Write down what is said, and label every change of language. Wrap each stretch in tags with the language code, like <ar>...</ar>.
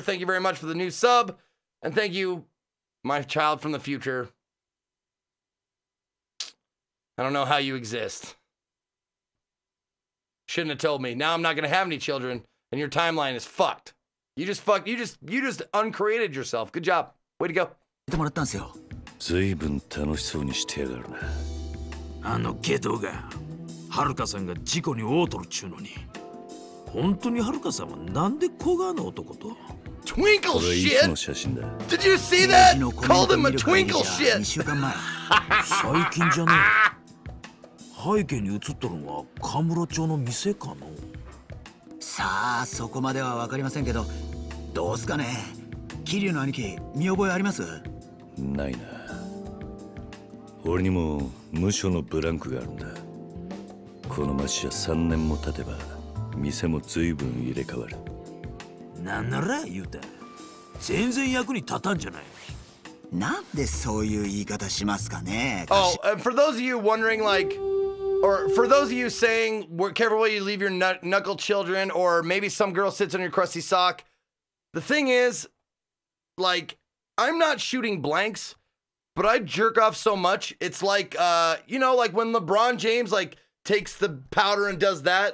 <en>Thank you very much for the new sub. And thank you, my child from the future. I don't know how you exist. Shouldn't have told me. Now I'm not going to have any children, and your timeline is fucked. You just fucked. You just uncreated yourself. Good job. Way to go.</en> <ja>いただいたんですよ。ずいぶん楽しそうにしてやがるな。あのゲドが、ハルカさんが事故に応取るちゅうのに、本当にハルカさんはなんで小川の男と。</ja> <en>Twinkle shit!</en> <ja>これいつの写真だ。</ja> <en>Did you see that? Called him a twinkle shit!</en> <ja>2週間前。最近じゃねえ。背景に映っとるのはカムロ町の店かの。さあそこまではわかりませんけど、どうすかね。キリュウの兄貴、見覚えあります？ないな。俺にも無所のブランクがあるんだ。この町じゃ3年も経てば店も随分入れ替わる。なんなら、ユータ。全然役に立たんじゃない。なんでそういう言い方しますかね。</ja> <en>Oh, for those of you wondering, like, or for those of you saying, careful where you leave your knuckle children, or maybe some girl sits on your crusty sock. The thing is. Like, I'm not shooting blanks, but I jerk off so much. It's like, you know, like when LeBron James, like, takes the powder and does that.</en>